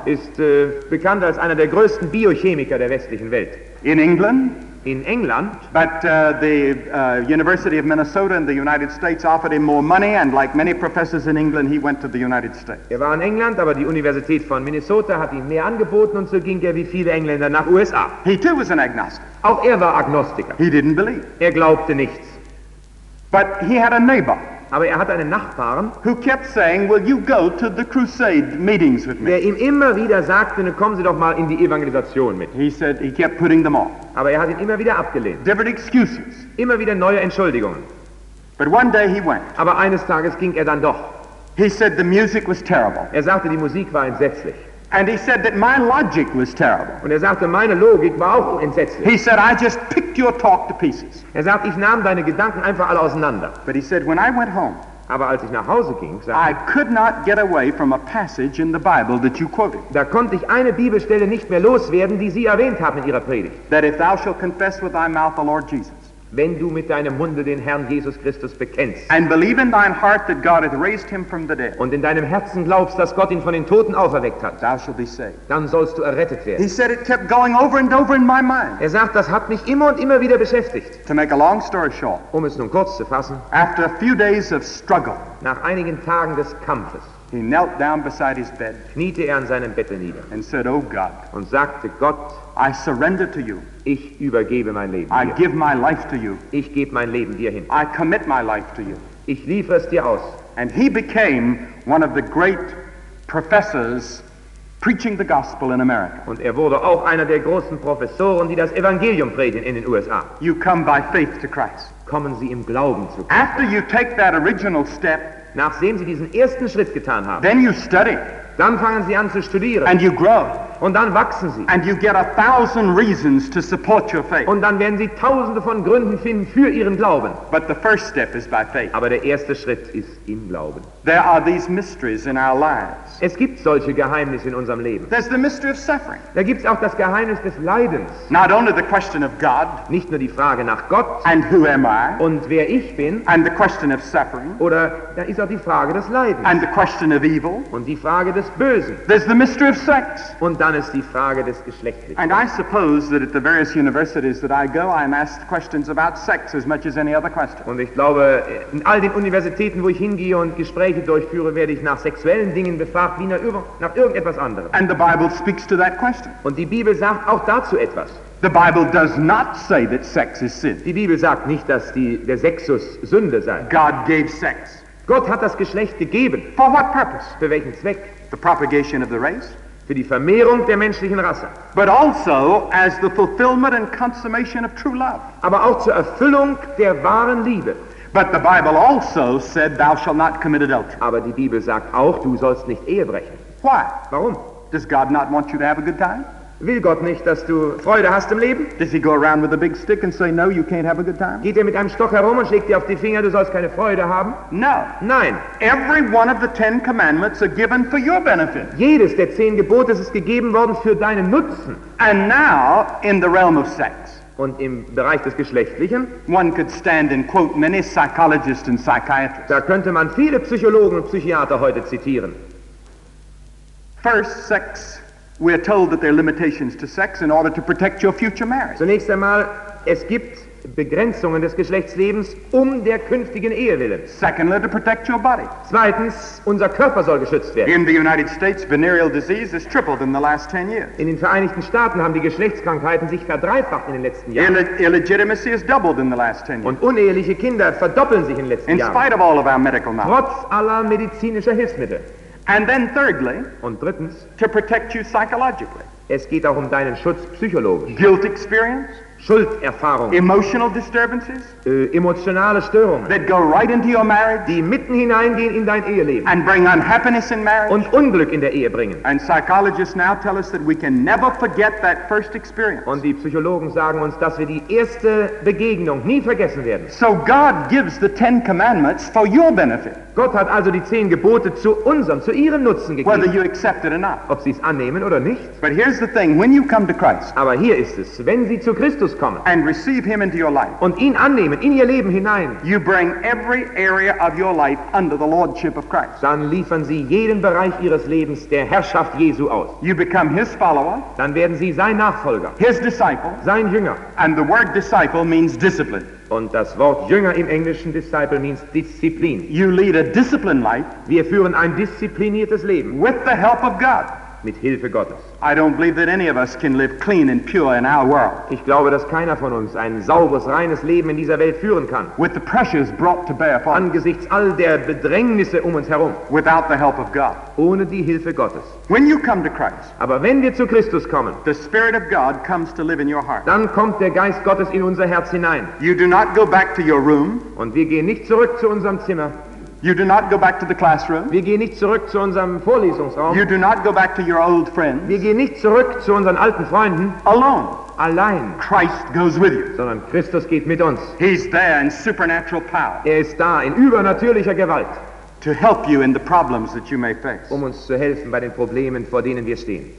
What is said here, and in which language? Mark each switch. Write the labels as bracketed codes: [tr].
[de] Ist bekannt als einer der größten Biochemiker der westlichen Welt. [en] In England. [de] In England. [en] But the University of Minnesota in the United States offered him more money, and like many professors in England, he went to the United States. [de] War in England, aber die Universität von Minnesota hat ihm mehr angeboten, und so ging wie viele Engländer nach USA. [en] He too was an agnostic. [de] Auch war Agnostiker. [en] He didn't believe. [de] Glaubte nichts. [en] But he had a neighbor. [de] Aber hatte einen Nachbarn, [en] who kept saying, will you go to the crusade meetings with me? [de] Der ihm immer wieder sagte, kommen Sie doch mal in die Evangelisation mit. [en] He said, he kept putting them off. [de] Aber hat ihn immer wieder abgelehnt. [en] Different excuses. [de] Immer wieder neue Entschuldigungen. [en] But one day he went. [de] Aber eines Tages ging dann doch. [en] He said, the music was terrible. [de] Sagte, die Musik war entsetzlich. [en] And he said that my logic was terrible. [de] Und sagte, meine Logik war auch entsetzlich. [en] He said, I just picked your talk to pieces. [de] Sagte, ich nahm deine Gedanken einfach alle auseinander. [en] But he said, when I went home, [de] aber als ich nach Hause ging, sagte, [en] I could not get away from a passage in the Bible that you quoted. [de] Da konnte ich eine Bibelstelle nicht mehr loswerden, die Sie erwähnt haben in Ihrer Predigt. [en] That if thou shalt confess with thy mouth the Lord Jesus, [de] wenn du mit deinem Munde den Herrn Jesus Christus bekennst, [en] and believe in thine heart that God hath raised him from the dead, [de] und in deinem Herzen glaubst, dass Gott ihn von den Toten auferweckt hat, [en] thou shalt be saved. [de] Dann sollst du errettet werden. [en] He said it kept going over and over in my mind. [de] Sagt, das hat mich immer und immer wieder beschäftigt. [en] To make a long story short, [de] es nun kurz zu fassen, [en] after a few days of struggle, [de] nach einigen Tagen des Kampfes, [en] he knelt down beside his bed, [de] kniete an seinem Bette nieder, [en] and said, oh God, [de] und sagte, Gott, [en] I surrender to you. [de] Ich übergebe mein Leben dir. [en] I give my life to you. [de] Ich gebe mein Leben dir hin. [en] I commit my life to you. [de] Ich liefere es dir aus. [en] And he became one of the great professors preaching the gospel in America. [de] Und wurde auch einer der großen Professoren, die das Evangelium predigen in den USA. [en] You come by faith to Christ. [de] Kommen Sie im Glauben zu Christus. [en] After you take that original step, [de] nachdem Sie diesen ersten Schritt getan haben, [en] then you study. [de] Dann fangen Sie an zu studieren. [en] And you grow. [de] Und dann wachsen sie. [en] And you get a thousand reasons to support your faith. [de] Und dann werden sie tausende von Gründen finden für ihren Glauben. [en] But the first step is by faith. [de] Aber der erste Schritt ist im Glauben. [en] There are these mysteries in our lives. [de] Es gibt solche Geheimnisse in unserem Leben. [en] There's the mystery of suffering. [de] Da gibt's auch das Geheimnis des Leidens. [en] Not only the question of God. [de] Nicht nur die Frage nach Gott. [en] And who am I? [de] Und wer ich bin. [en] And the question of suffering. [de] Oder da ist auch die Frage des Leidens. [en] And the question of evil. [de] Und die Frage des Bösen. [en] There's the mystery of sex. [de] Und dann ist die Frage des Geschlechtlichen. [en] And I suppose that at the various universities that I go, I'm asked questions about sex as much as any other question. [de] Und ich glaube, in all den Universitäten, wo ich hingehe und Gespräche durchführe, werde ich nach sexuellen Dingen befragt, wie nach irgendetwas anderem. [en] And the Bible speaks to that question. [de] Und die Bibel sagt auch dazu etwas. [en] The Bible does not say that sex is sin. [de] Die Bibel sagt nicht, dass der Sexus Sünde sei. [en] God gave sex. [de] Gott hat das Geschlecht gegeben. [en] For what purpose? [de] Für welchen Zweck? [en] The propagation of the race. [de] Für die Vermehrung der menschlichen Rasse. [en] But also as the fulfillment and consummation of true love. [de] Aber auch zur Erfüllung der wahren Liebe. [en] But the Bible also said thou shalt not commit adultery. [de] Aber die Bibel sagt auch, du sollst nicht Ehe brechen. [en] Why? [de] Warum? [en] Does God not want you to have a good time? [de] Will Gott nicht, dass du Freude hast im Leben? [en] Does he go around with a big stick and say no, you can't have a good time? [de] Geht mit einem Stock herum und schlägt dir auf die Finger, du sollst keine Freude haben? [en] No. [de] Nein. [en] Every one of the ten commandments are given for your benefit. [de] Jedes der zehn Gebote ist gegeben worden für deinen Nutzen. [en] And now in the realm of sex. [de] Und im Bereich des Geschlechtlichen. [en] One could stand and quote many psychologists and psychiatrists. [de] Da könnte man viele Psychologen und Psychiater heute zitieren. [en] First, sex. We are told that there are limitations to sex in order to protect your future marriage. [de] Zunächst einmal, es gibt Begrenzungen des Geschlechtslebens um der künftigen Ehe willen. [en] Secondly, to protect your body. [de] Zweitens, unser Körper soll geschützt werden. [en] In the United States, venereal disease has tripled in the last 10 years. [de] In den Vereinigten Staaten haben die Geschlechtskrankheiten sich verdreifacht in den letzten Jahren. [en] Illegitimacy has doubled in the last 10 years. [de] Und uneheliche Kinder verdoppeln sich in den letzten Jahren. [en] In spite of all of our medical knowledge. [de] Trotz aller medizinischer Hilfsmittel. [en] And then thirdly, [de] und drittens, [en] to protect you psychologically. [de] Es geht auch deinen Schutz psychologisch. [en] Guilt experience, [de] Schulderfahrung, [en] emotional disturbances, [de] emotionale Störungen, [en] that go right into your marriage, [de] die mitten hineingehen in dein Eheleben, [en] and bring unhappiness in marriage, [de] und Unglück in der Ehe bringen. [en] And psychologists now tell us that we can never forget that first experience. [de] Und die Psychologen sagen uns, dass wir die erste Begegnung nie vergessen werden. [en] So God gives the Ten Commandments for your benefit. [de] Gott hat also die zehn Gebote zu unserem, zu ihrem Nutzen gegeben. [en] Whether you accept it or not. [de] Ob sie es annehmen oder nicht. [en] But here's the thing, when you come to Christ. [de] Aber hier ist es, wenn sie zu Christus kommen. [en] And receive him into your life. [de] Und ihn annehmen, in ihr Leben hinein. [en] You bring every area of your life under the lordship of Christ. [de] Dann liefern sie jeden Bereich ihres Lebens der Herrschaft Jesu aus. [en] You become his follower. [de] Dann werden sie sein Nachfolger. [en] His disciple. [de] Sein Jünger. [en] And the word disciple means discipline. [de] Und das Wort Jünger im Englischen [en] disciple means [de] Disziplin. [en] You lead a disciplined life. [de] Wir führen ein diszipliniertes Leben. [en] With the help of God. [de] Mit Hilfe Gottes. [en] I don't believe that any of us can live clean and pure in our world. [de] Ich glaube, dass keiner von uns ein sauberes, reines Leben in dieser Welt führen kann. [en] With the pressures brought to bear upon. [de] Angesichts all der Bedrängnisse uns herum. [en] Without the help of God. [de] Ohne die Hilfe Gottes. [en] When you come to Christ. [de] Aber wenn wir zu Christus kommen. [en] The Spirit of God comes to live in your heart. [de] Dann kommt der Geist Gottes in unser Herz hinein. [en] You do not go back to your room. [de] Und wir gehen nicht zurück zu unserem Zimmer. [en] You do not go back to the classroom. [de] Wir gehen nicht zurück zu unserem Vorlesungsraum. [en] You do not go back to your old friends. [de] Wir gehen nicht zurück zu unseren alten Freunden. [en] Alone. [de] Allein. [en] Christ goes with you. [de] Sondern Christus geht mit uns. [en] He's there in supernatural power. [de] Er ist da in übernatürlicher Gewalt. [en] To help you in the problems that you may face. [de] Uns zu helfen bei den Problemen, vor denen wir stehen.